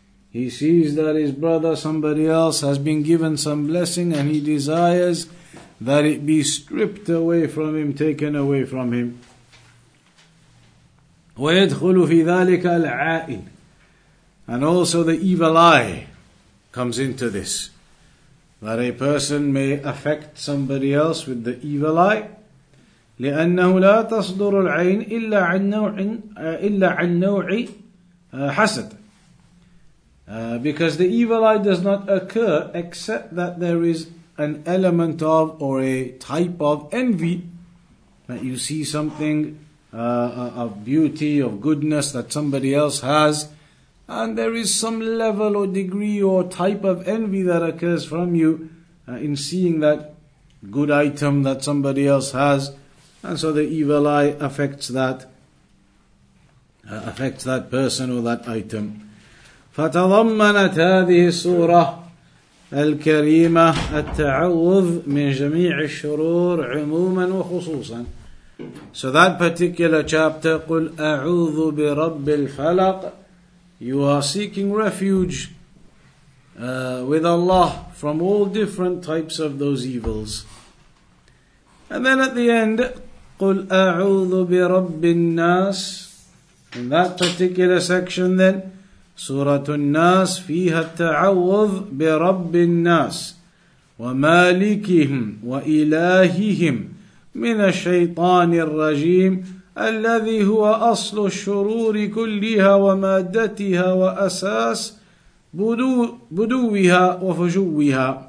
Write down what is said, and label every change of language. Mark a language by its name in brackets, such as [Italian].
[English] He sees that his brother, somebody else, has been given some blessing and he desires that it be stripped away from him, taken away from him. [Arabic] وَيَدْخُلُ فِي ذَلِكَ الْعَائِنِ. [English] And also the evil eye comes into this. That a person may affect somebody else with the evil eye. [Arabic] لأنه لا تصدر العين إلا عن نوع إلا عن نوع حسد. [English] Because the evil eye does not occur except that there is an element of or a type of envy, that you see something of beauty, of goodness that somebody else has, and there is some level or degree or type of envy that occurs from you in seeing that good item that somebody else has. And so the evil eye affects that person or that item. [Arabic] فتضمنت هذه السورة الكريمة التعوذ من جميع الشرور عموما وخصوصا. [English] So that particular chapter, [Arabic] قل أعوذ برب الفلق. [English] You are seeking refuge with Allah from all different types of those evils. And then at the end, [Arabic] قُلْ أَعُوذُ بِرَبِّ النَّاسِ. [English] In that particular section then, [Arabic] سُورَةُ النَّاسِ فِيهَا التَّعَوُّذُ بِرَبِّ النَّاسِ وَمَالِكِهِمْ وَإِلَاهِهِمْ مِنَ الشَّيْطَانِ الرَّجِيمِ الَّذِي هُوَ أَصْلُ الشُّرُورِ كُلِّهَا وَمَادَّتِهَا وَأَسَاسِ بُدُوِّهَا وَفُجُوِّهَا.